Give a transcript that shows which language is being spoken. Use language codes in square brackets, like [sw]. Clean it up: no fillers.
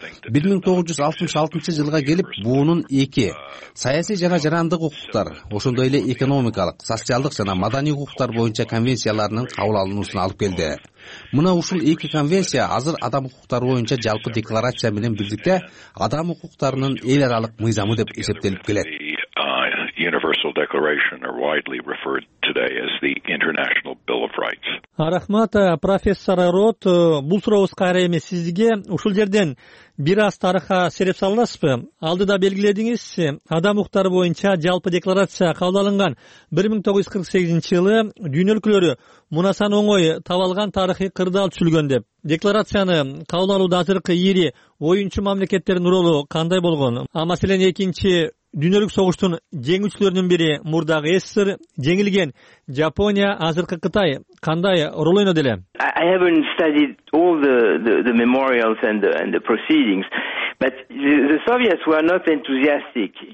[ky] 1966 жылга келип буунун эки саясий жана жарандык укуктар, ошондой эле экономикалык, социалдык жана маданий укуктар боюнча конвенцияларынын кабыл алынуусуна алып келди. Мына ушул эки конвенция азыр адам укуктары боюнча жалпы декларация менен бирдикте адам укуктарынын эл аралык мыйзамы деп эсептелип келет. [en] Universal Declaration are widely referred today as the International Bill of Rights. [ky] Рахмат, профессор Рот, бул сурообуз кайра эми сизге. Ушул жерден бир аз тарыха серип саласызбы? Алдыда белгиледиңиз, адам укуктары боюнча жалпы декларация кабыл алынган 1948 жылы дүйнө өлкөлөрү мунасаны оңой табалган тарыхый кырдаал түзүлгөн деп. Декларацияны кабыл алууда азыркы ири оюнчу мамлекеттердин ролу кандай болгон? А маселен, экинчи дүйнөлүк согуштун жеңүүчүлөрүнүн бири мурдагы СССР, жеңилген Жапония, азыркы Кытай кандай рол ойноду эле? [en] I haven't studied all the memorials and the proceedings. But the Soviets were not enthusiastic.